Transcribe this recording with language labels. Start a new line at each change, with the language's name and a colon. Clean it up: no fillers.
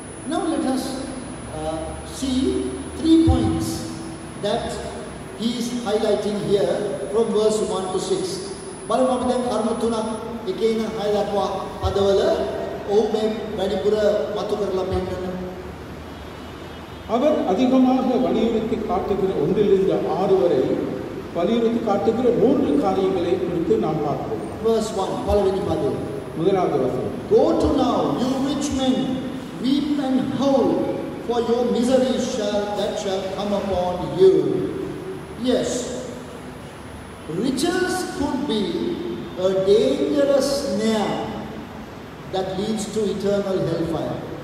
English: Now let us see three points that he is highlighting here from verse 1 to 6.
Sinhala: බලමු අපි දැන් කරුණු තුනක් එකේ ඉඳන් 6 දක්වා පදවල ඔහු මේ වැඩිපුර මතු කරලා පෙන්නන.
Tamil: அவர் அதிகமாக வலியுறுத்தி காட்டுகிற 1:6 வரை வலியுறுத்தி காட்டுகிற 3 காரியங்களை குறித்து நாம் பார்ப்போம்.
English: Verse 1,
Tamil: பலவெனி பதவி. முதலாவது வசனம்.
English: Go to now, you rich men, weep and howl, for your misery shall come upon you. Yes, riches could be a dangerous snare that leads to eternal hellfire.